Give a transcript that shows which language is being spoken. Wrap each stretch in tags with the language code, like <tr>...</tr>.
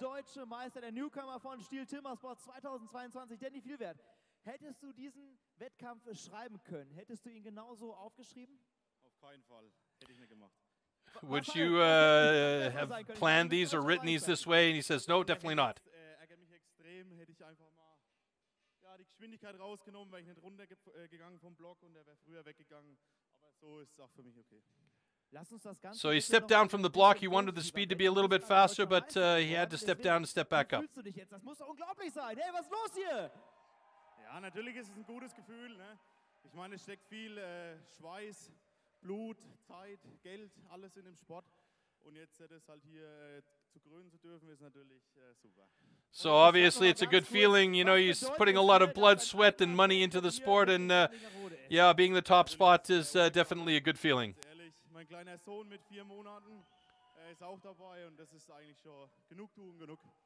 <de>Deutsche Meister, der Newcomer von STIHL TIMBERSPORTS 2022, Denny Fiavet. Hättest du diesen Wettkampf schreiben können? Hättest du ihn genauso aufgeschrieben? Auf keinen Fall. Hätte ich nicht gemacht.</de> <en>Would you have planned these or written these this way? And he says, no, definitely not.</en> <de>Ärgert mich extrem. Hätte ich einfach mal die Geschwindigkeit rausgenommen, weil ich nicht runtergegangen vom Block und er wäre früher weggegangen. Aber so ist es auch für mich okay.</de> <en>So he stepped down from the block. He wanted the speed to be a little bit faster, but he had to step down and step back up.</en> <de>Fühlst du dich jetzt? Das muss doch unglaublich sein. Hey, was ist los hier? Ja, natürlich ist es ein gutes Gefühl. Ne? Ich meine, es steckt viel Schweiß, Blut, Zeit, Geld, alles in dem Sport. Und jetzt das halt hier zu krönen zu dürfen, ist natürlich super.</de> <en>So obviously it's a good feeling, you know, he's putting a lot of blood, sweat and money into the sport and yeah, being the top spot is definitely a good feeling.</en> <de>Mein kleiner Sohn mit 4 Monaten ist auch dabei und das ist eigentlich schon Genugtuung genug.</de>